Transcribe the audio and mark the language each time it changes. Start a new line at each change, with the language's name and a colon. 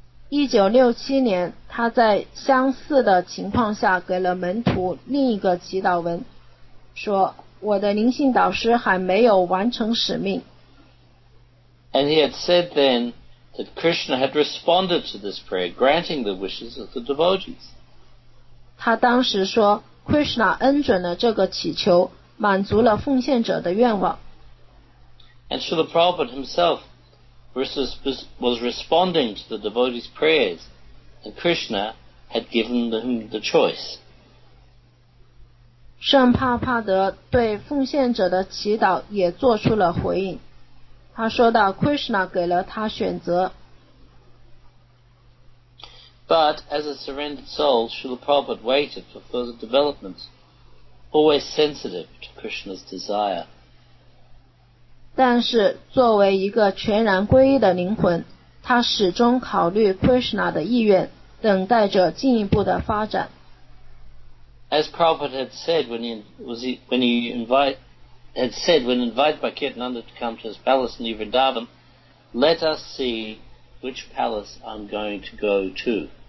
Chinese: 1967年他在相似的情况下给了门徒另一个祈祷文，说我的灵性导师还没有完成使命。
English: And he had said then that Krishna had responded to this prayer, granting the wishes of the devotees.
Chinese: 他当时说 Krishna 恩准了这个祈求，满足了奉献者的愿望。
English: And Srila Prabhupada himself was responding to the devotees' prayers, and Krishna had given them the choice.
Chinese: 圣帕帕德对奉献者的祈祷也做出了回应，他说到 Krishna 给了他选择。
English: But as a surrendered soul, Srila Prabhupada waited for further developments, always sensitive to Krishna's desire.
Chinese: 但是作为一个全然皈依的灵魂，他始终考虑 Krishna 的意愿，等待着进一步的发展。
English: As Prabhupada had said when invited by Kirtananda to come to his palace in New Vrindavan, let us see which palace I'm going to go to.